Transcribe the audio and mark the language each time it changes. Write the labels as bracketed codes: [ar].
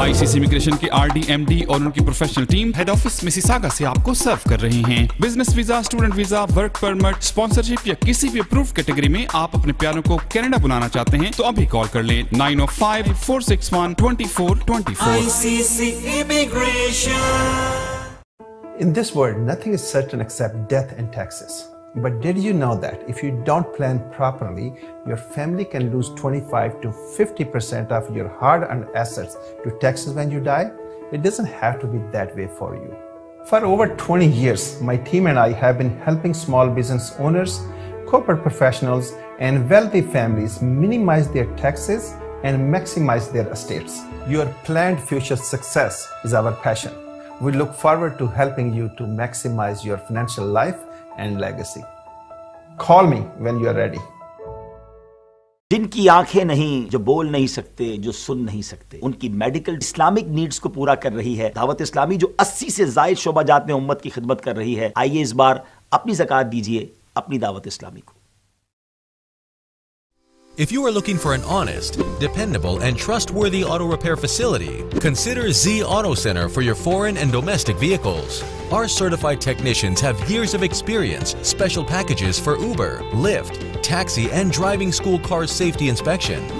[hi] ICC immigration के RD MD और उनकी professional team head office Mississauga से आपको सर्व कर रही हैं. Business visa, student visa, work permit, sponsorship या किसी भी अप्रूव कैटेगरी में आप अपने प्यारों को कनाडा बुलाना चाहते हैं तो अभी कॉल कर लें 905-461-2424. ICC immigration. [en] In this world, nothing is certain except death and taxes. But did you know that if you don't plan properly, your family can lose 25 to 50% of your hard-earned assets to taxes when you die? It doesn't have to be that way for you. For over 20 years, my team and I have been helping small business owners, corporate professionals, and wealthy families minimize their taxes and maximize their estates. Your planned future success is our passion. We look forward to helping you to maximize your financial life and legacy. Call me when you are ready. [hi] जिनकी आंखें नहीं, जो बोल नहीं सकते, जो सुन नहीं सकते, उनकी मेडिकल इस्लामिक नीड्स को पूरा कर रही है दावत इस्लामी, जो 80 से ज़ायद शोबा जात में उम्मत की खिदमत कर रही है, आइए इस बार अपनी ज़कात दीजिए अपनी दावत इस्लामी को. [en] If you are looking for an honest, dependable, and trustworthy auto repair facility, consider Z Auto Center for your foreign and domestic vehicles. Our certified technicians have years of experience, special packages for Uber, Lyft, taxi, and driving school car safety inspection.